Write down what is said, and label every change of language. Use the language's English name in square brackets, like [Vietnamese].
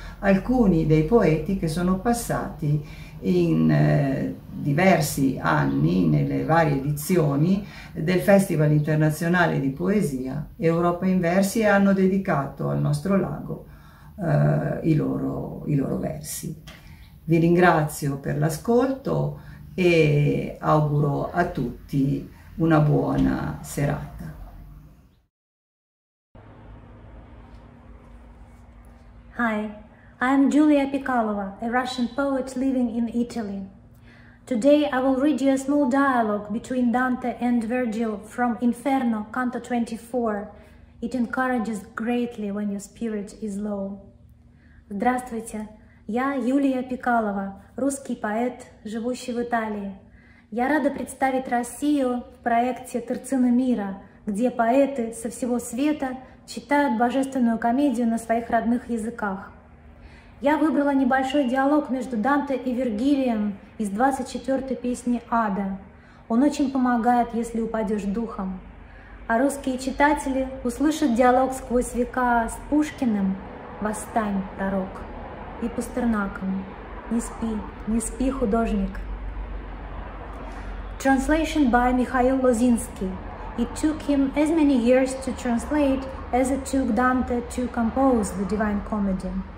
[Italian] alcuni dei poeti che sono passati in diversi anni nelle varie edizioni del Festival Internazionale di Poesia Europa in Versi e hanno dedicato al nostro lago i loro versi. Vi ringrazio per l'ascolto e auguro a tutti una buona serata. [English] Hi, I am Giulia Pikhalova, a Russian poet living in Italy. Today I will read you a small dialogue between Dante and Virgil from Inferno, Canto 24. It encourages greatly when your spirit is low. [Russian] Здравствуйте, я Юлия Пикалова, русский поэт, живущий в Италии. Я рада представить Россию в проекте «Терцины мира», где поэты со всего света читают божественную комедию на своих родных языках. Я выбрала небольшой диалог между Данте и Вергилием из 24-й песни «Ада». Он очень помогает, если упадешь духом. А русские читатели услышат диалог сквозь века с Пушкиным «Восстань, пророк!» и Пастернаком «Не спи, не спи, художник!» [English] Translation by Mikhail Lozinski. It took him as many years to translate as it took Dante to compose the Divine Comedy.